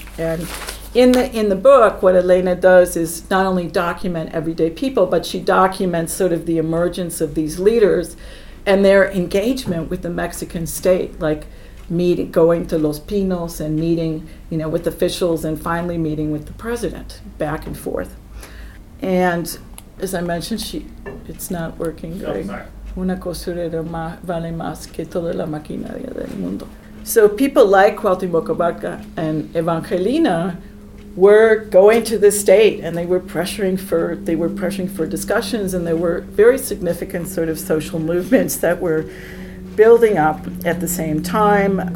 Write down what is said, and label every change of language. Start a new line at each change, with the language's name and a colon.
English: And in the book, what Elena does is not only document everyday people, but she documents sort of the emergence of these leaders and their engagement with the Mexican state, like going to Los Pinos and meeting, you know, with officials, and finally meeting with the president, back and forth. And as I mentioned, it's not working.
Spanish: Una costurera vale más que toda la maquinaria del mundo.
English: So people like Cuauhtémoc Abarca and Evangelina were going to the state, and they were pressuring for discussions, and there were very significant sort of social movements that were building up at the same time.